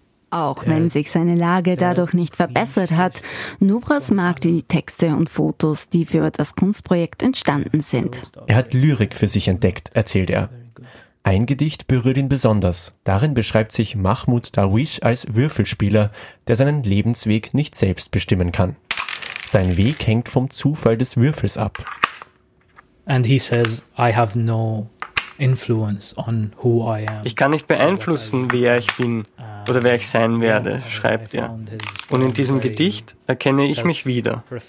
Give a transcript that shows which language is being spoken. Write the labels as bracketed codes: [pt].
[de] Auch wenn sich seine Lage dadurch nicht verbessert hat, Novras mag die Texte und Fotos, die für das Kunstprojekt entstanden sind. Er hat Lyrik für sich entdeckt, erzählt er. Ein Gedicht berührt ihn besonders. Darin beschreibt sich Mahmoud Darwish als Würfelspieler, der seinen Lebensweg nicht selbst bestimmen kann. Sein Weg hängt vom Zufall des Würfels ab. [en] And he says, I have no influence on who I am. [de] Ich kann nicht beeinflussen, wer ich bin oder wer ich sein werde, schreibt er. Und in diesem Gedicht erkenne ich mich wieder.